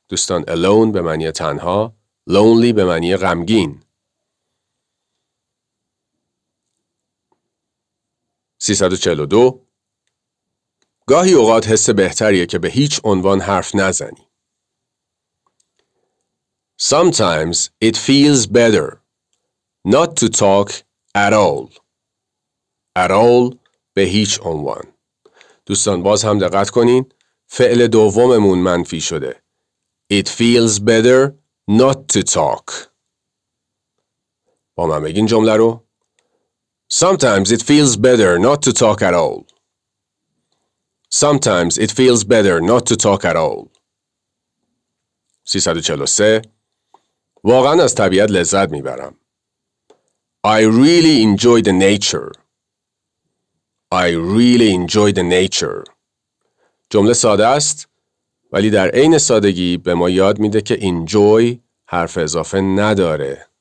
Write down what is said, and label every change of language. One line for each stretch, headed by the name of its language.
Persian: دوستان alone به معنی تنها، lonely به معنی غمگین. 342 گاهی اوقات حس بهتریه که به هیچ عنوان حرف نزنی.
English: Sometimes it feels better not to talk at all. At all
Persian: به هیچ عنوان. دوستان باز هم دقت کنین، فعل دوممون منفی شده.
English: It feels better not to talk.
Persian: با من بگین جمله رو.
English: Sometimes it feels better not to talk at all. Sometimes it feels better not to talk at all.
Persian: 343 واقعا از طبیعت لذت میبرم.
English: I really enjoy the nature. I really enjoy the nature.
Persian: جمله ساده است ولی در عین سادگی به ما یاد میده که enjoy حرف اضافه نداره.